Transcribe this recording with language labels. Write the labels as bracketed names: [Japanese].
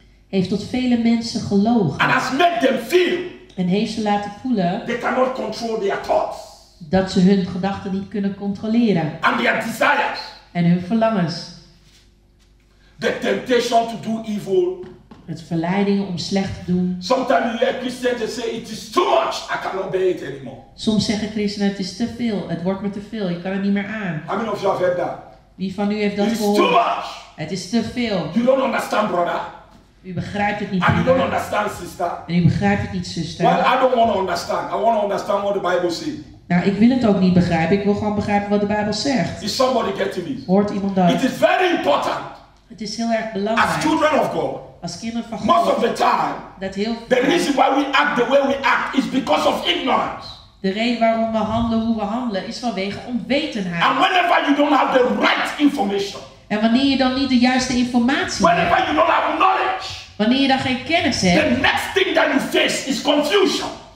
[Dutch] Heeft tot vele mensen gelogen. [English] And has made them feel. [Dutch] En heeft ze laten voelen. [English] They cannot control their thoughts. [Dutch] Dat ze hun gedachten niet kunnen controleren. [English] And their desires. [Dutch] En hun verlangens. [English] The temptation to do evil. [Dutch] Het verleidingen om slecht te doen. [English] Sometimes you hear Christians say it is too much. I cannot bear it anymore. [Dutch] Soms zeggen christenen het is te veel. Het wordt me te veel. Ik kan het niet meer aan. [English] How many of you have heard that? [Dutch] Wie van u heeft dat gehoord? [English] It is too much. [Dutch] Het is te veel. [English] You don't understand, brother. [Dutch] U begrijpt het niet. [English] And you don't understand, sister. [Dutch] En u begrijpt het niet, zuster. [English] Well, I don't want to understand. I want to understand what the Bible says. [Dutch] Nou, ik wil het ook niet begrijpen. Ik wil gewoon begrijpen wat de Bijbel zegt. [English] Is somebody getting me? [Dutch] Hoort iemand dat? [English] It is very important. [Dutch] Het is heel erg belangrijk. [English] As children of God. [Dutch] Als kinderen van God. [English] Most of the time. [Dutch] Dat heel. [English] The reason why we act the way we act is because of ignorance. [Dutch] De reden waarom we handelen hoe we handelen is vanwege onwetendheid. [English] And whenever you don't have the right information. [Dutch] En wanneer je dan niet de juiste informatie [English] whenever [Dutch] hebt. [English] Whenever you don't have knowledge. [Dutch] Wanneer je dan geen kennis hebt. [English] The next thing that you face is confusion.